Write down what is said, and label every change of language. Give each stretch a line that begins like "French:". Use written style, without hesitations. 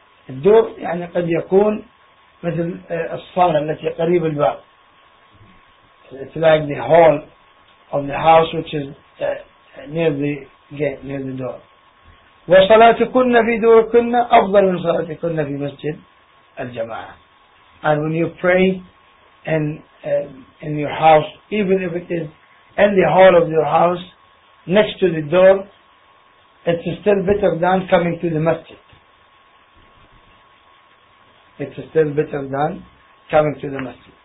Arabic: الدور يعني قد يكون مثل الصالة التي قريب الباب،
English: it's like the hall of the house which is near the gate, near the door.
Arabic: وصلاتكن في دوركن أفضل من صلاتكن في مسجد الجماعة.
English: And when you pray in your house, even if it is in the hall of your house, next to the door, it's still better than coming to the masjid. It's still better than coming to the masjid.